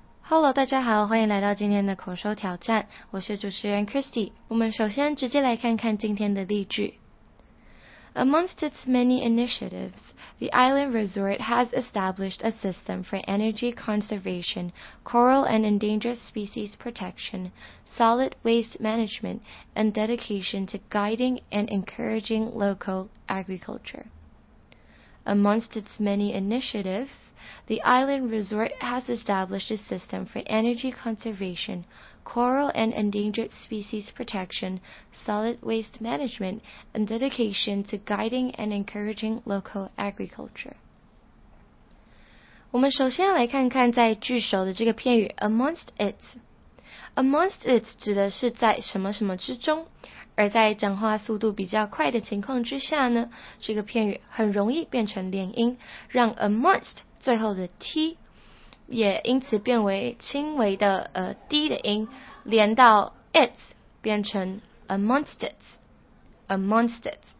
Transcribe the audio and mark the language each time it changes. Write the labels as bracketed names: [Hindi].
[Chinese] Hello， 大家好，欢迎来到今天的口说挑战，我是主持人 Christy。我们首先直接来看看今天的例句。 [English] Amongst its many initiatives, the island resort has established a system for energy conservation, coral and endangered species protection, solid waste management, and dedication to guiding and encouraging local agriculture. Amongst its many initiatives, the island resort has established a system for energy conservation, coral and endangered species protection, solid waste management, and dedication to guiding and encouraging local agriculture. [Chinese] 我们首先来看看在句首的这个片语 amongst it. Amongst it 指的是在什么什么之中。而在讲话速度比较快的情况之下呢，这个片语很容易变成连音，让 amongst 最后的 t 也因此变为轻微的低的音，连到 it 变成 amongst it， amongst it。